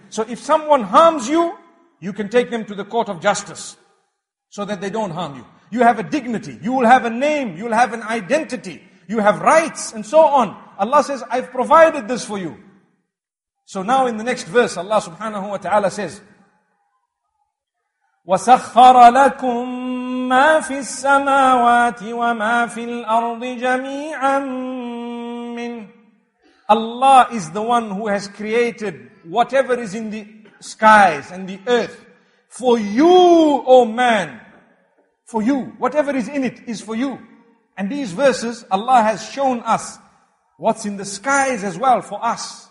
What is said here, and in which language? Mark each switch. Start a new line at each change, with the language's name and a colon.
English: So if someone harms you, you can take them to the court of justice so that they don't harm you. You have a dignity, you will have a name, you will have an identity, you have rights and so on. Allah says, I've provided this for you. So now in the next verse, Allah subhanahu wa ta'ala says,
Arabic: وسخر لكم ما في السماوات وما في الأرض جميعا منه.
English: Allah is the one who has created whatever is in the skies and the earth for you, O man. For you, whatever is in it is for you. And these verses, Allah has shown us what's in the skies as well for us.